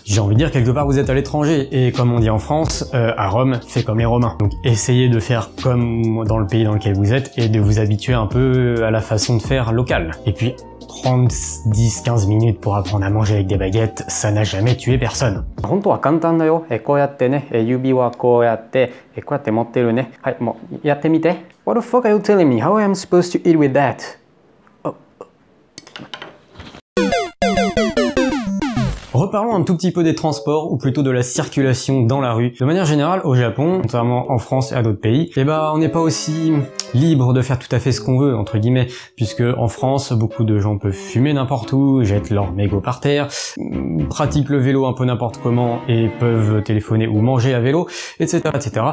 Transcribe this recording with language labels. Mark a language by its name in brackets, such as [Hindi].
[French] J'ai envie de dire, quelque part vous êtes à l'étranger, et comme on dit en France, à Rome, fait comme les Romains. Donc essayez de faire comme dans le pays dans lequel vous êtes et de vous habituer un peu à la façon de faire local. Et puis, prendre 10-15 minutes pour apprendre à manger avec des baguettes, ça n'a jamais tué personne. [Japanese] 本当は簡単だよ。こうやってね、指はこうやって、こうやって持ってるね。はい、もうやってみて。 [English] What the fuck are you telling me? How am I supposed to eat with that? [French] Reparlons un tout petit peu des transports, ou plutôt de la circulation dans la rue. De manière générale, au Japon, notamment en France et à d'autres pays, on n'est pas aussi libre de faire tout à fait ce qu'on veut, entre guillemets, puisque en France, beaucoup de gens peuvent fumer n'importe où, jettent leur mégot par terre, pratiquent le vélo un peu n'importe comment, et peuvent téléphoner ou manger à vélo, etc., etc.